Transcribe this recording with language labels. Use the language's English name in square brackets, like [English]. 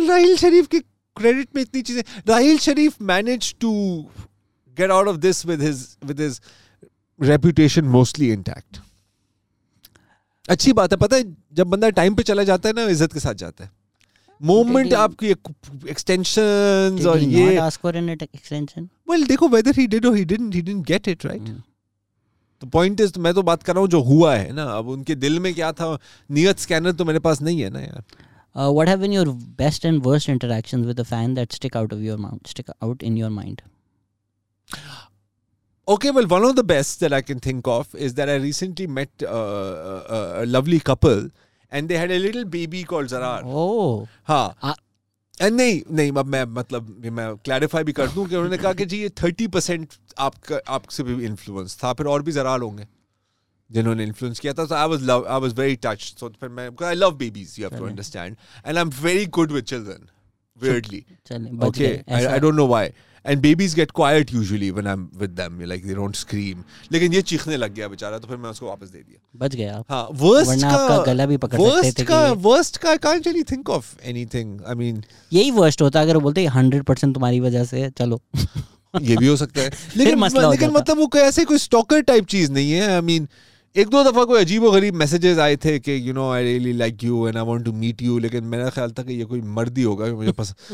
[Urdu] راحیل شریف کے کریڈٹ میں اتنی چیزیں, [English] Raheel Sharif managed to get out of this with his reputation mostly intact. [Urdu] اچھی بات ہے, پتہ ہے جب بندہ ٹائم پہ چلا جاتا ہے نا عزت کے ساتھ جاتا ہے. مومنٹ آپ کی ایکسٹینشنز اور یہ [English] ask for an extension, [Urdu] ویل دیکھو [English] Whether he did or he didn't get it right. [Urdu] تو پوائنٹ از میں تو بات کر رہا ہوں جو ہوا ہے نا, اب ان کے دل میں کیا تھا. نیت اسکینر تو میرے پاس نہیں ہے نا یار. [English] What have been your best and worst interactions with a fan that stuck out of your mouth, stuck out in your mind? Okay, well, one of the best that I can think of is that I recently met a lovely couple and they had a little baby called Zarrar. Oh. [Urdu] And نہیں اب میں مطلب میں clarify بھی کر دوں کہ انہوں نے کہا کہ جی یہ 30% آپ سے بھی انفلوئنس تھا, پھر اور بھی Zarrar ہوں گے جنہوں نے انفلوئنس کیا تھا. [English] So I was very touch. [Urdu] سو پھر میں [English] I love babies, you have to understand, and I am very good with children weirdly. Okay, I don't know why. And babies get quiet usually when I'm with them. You're like, they don't scream. [Urdu] لیکن یہ چیخنے لگ گیا بیچارہ, تو پھر میں اس کو واپس دے دیا. بچ گیا. ہاں, worst کا. ورنہ آپ کا گلا بھی پکڑ سکتے تھے. [English] Worst کا, I can't really think of anything. I mean, [Urdu] یہی worst ہوتا اگر بولتے 100% تمہاری وجہ سے, چلو. یہ بھی ہو سکتا ہے. لیکن مطلب وہ ایسے کوئی stalker type چیز نہیں ہے. [English] I mean, [Urdu] ایک دو دفعہ کوئی عجیب و غریب میسیجز آئے تھے کہ [English] you know I really like you and I want to meet you, [Urdu] لیکن میرا خیال تھا کہ یہ کوئی مرد ہی ہوگا مجھے پس.